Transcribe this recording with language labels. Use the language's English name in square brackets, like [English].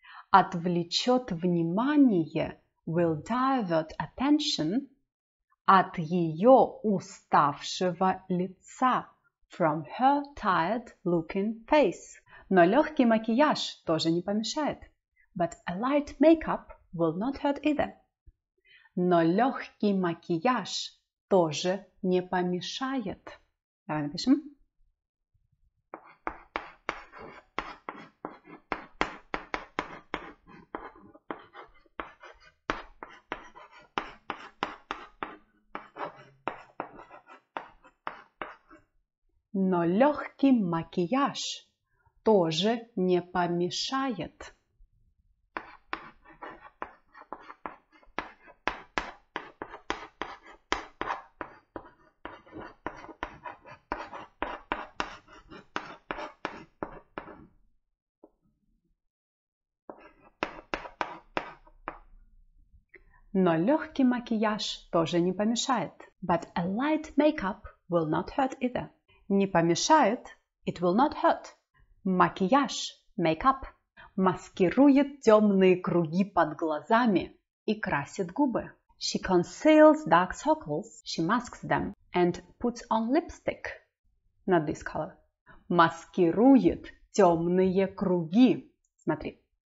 [Russian] отвлечет внимание, [English] will divert attention, [Russian] от ее уставшего лица, [English] from her tired looking face. [Russian] Но легкий макияж тоже не помешает. [English] But a light makeup will not hurt either. [Russian] Но легкий макияж тоже не помешает. Давай напишем. Но легкий макияж тоже не помешает. Но легкий макияж тоже не помешает. [English] But a light makeup will not hurt either. [Russian] Не помешает. [English] It will not hurt. [Russian] Макияж. [English] Makeup. [Russian] Маскирует темные круги под глазами и красит губы. [English] She conceals dark circles. She masks them. And puts on lipstick. Not this color. [Russian] Маскирует темные круги. Смотри.